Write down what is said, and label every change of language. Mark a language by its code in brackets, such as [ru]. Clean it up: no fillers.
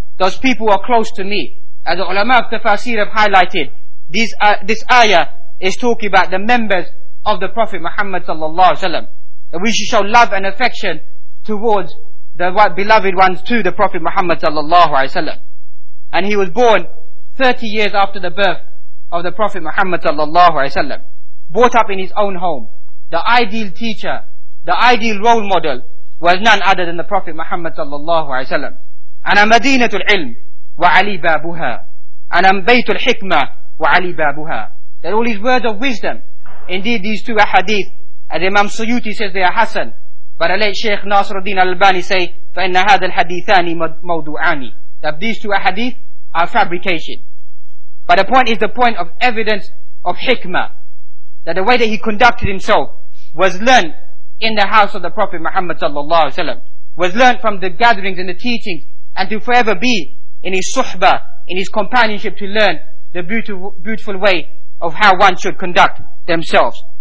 [en] Those people who are close to me. As the ulama of tafasir have highlighted, this ayah is talking about the members of the Prophet Muhammad sallallahu alaihi wasallam, that we should show love and affection towards the beloved ones to the Prophet Muhammad sallallahu alaihi wasallam. And he was born 30 years after the birth of the Prophet Muhammad sallallahu alaihi wasallam, brought up in his own home. The ideal teacher, the ideal role model, was none other than the Prophet Muhammad sallallahu alaihi wasallam. [ar] أنا مدينة العلم وعلي بابها أنا بيت الحكمة وعلي بابها. [en] That all these words of wisdom, indeed these two ahadith, as Imam Suyuti says they are Hassan, but late Shaykh Nasruddin al-Albani say [ar] فإن هذا الحديثان موضوعان, [en] that these two ahadith are fabrication. But the point is the point of evidence of hikmah, that the way that he conducted himself was learned in the house of the Prophet Muhammad sallallahu alaihi wasallam, was learned from the gatherings and the teachings, and to forever be in his suhba, in his companionship, to learn the beautiful way of how one should conduct themselves.